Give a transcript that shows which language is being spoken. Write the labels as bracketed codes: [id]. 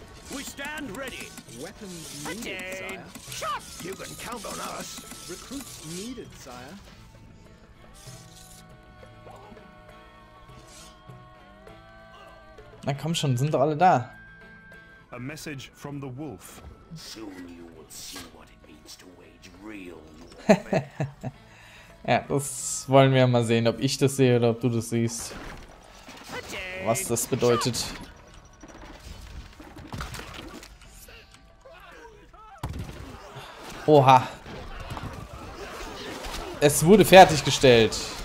[en] We stand ready. Weapons needed, sire. Shot! You can count on us. Recruits needed, sire. [de] Na komm schon, sind doch alle da. [en] A message from the wolf. Soon you will see what it means to wage real war. [de] Ja, das wollen wir mal sehen, ob ich das sehe oder ob du das siehst. Was das bedeutet. Oha. Es wurde fertiggestellt.